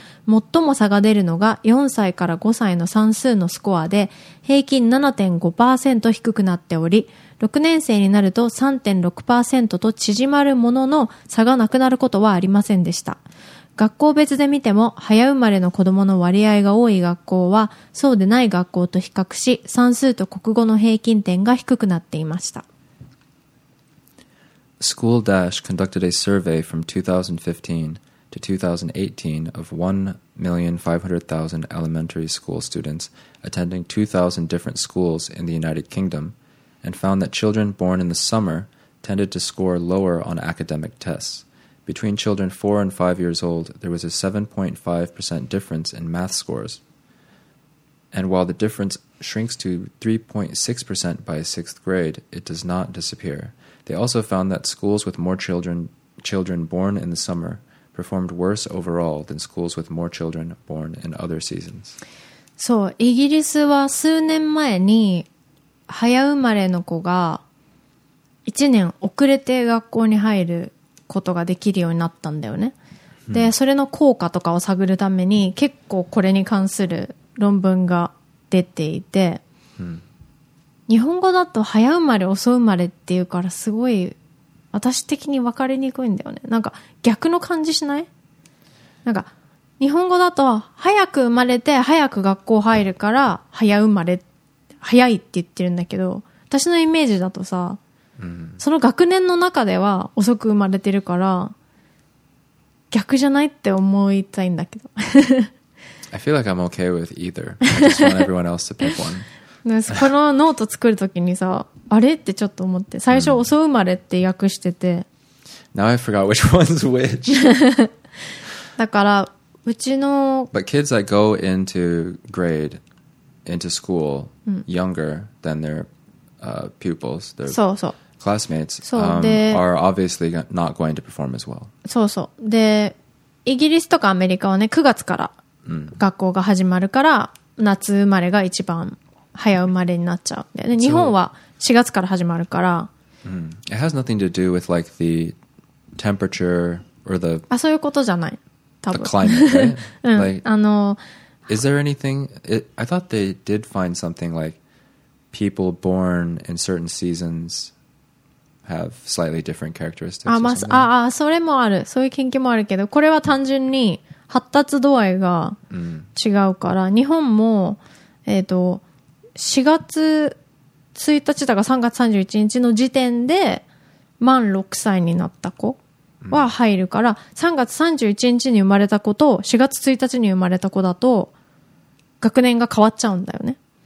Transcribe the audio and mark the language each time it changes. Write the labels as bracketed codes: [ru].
[ja] 最も差が出るのが4歳から5歳の算数のスコアで、平均 7.5% 低くなっており、6年生になると 3.6% と縮まるものの、差がなくなることはありませんでした。学校別で見ても早生まれの子供の割合が多い学校はそうでない学校と比較し、算数と国語の平均点が低くなっていました。 [en] School Dash conducted a survey from 2015 to 2018 of 1,500,000 elementary school students attending 2,000 different schools in the United Kingdom and found that children born in the summer tended to score lower on academic tests. Between children 4 and 5 years old, there was a 7.5% difference in math scores. And while the difference shrinks to 3.6% by 6th grade, it does not disappear. They also found that schools with more children born in the summer performed worse overall than schools with more children born in other seasons. [ja] そう、イギリスは数年前に早生まれの子が1年遅れて学校に入ることができるようになったんだよね。で、それの効果とかを探るために結構これに関する論文が出ていて、日本語だと早生まれ遅生まれっていうからすごい私的に分かりにくいんだよね。なんか逆の感じしない？なんか日本語だと早く生まれて早く学校入るから早生まれ早いって言ってるんだけど、私のイメージだとさ、その学年の中では遅く生まれてるから逆じゃないって思いたいんだけど。 [en] I feel like I'm okay with either. I just want everyone else to pick one. [ja] このノート作るときにさ、あれってちょっと思って、最初遅生まれって訳してて。 [en] Now I forgot which one's which. [ja] だからうちの。 [en] But kids that go into grade, into school younger than their pupils, their [ja] そうそう [en] classmates, are obviously not going to perform as well. [ja] そうそう。で、イギリスとかアメリカはね、9月から学校が始まるから、夏生まれが一番早生まれになっちゃう。で、日本は4月から始まるから。 [en] It has nothing to do with like the temperature or the. [ja] あ、そういうことじゃない。多分。 [en] The climate, right? 、うん、like, is there anything? I thought they did find something like. People born in certain seasons have slightly different characteristics. [ja] ああ、まあ、ああ、それもある。そういう研究もあるけど、これは単純に発達度合いが違うから、日本も、4月1日だか3月31日の時点で満6歳になった子は入るから、3月31日に生まれた子と4月1日に生まれた子だと学年が変わっちゃうんだよね。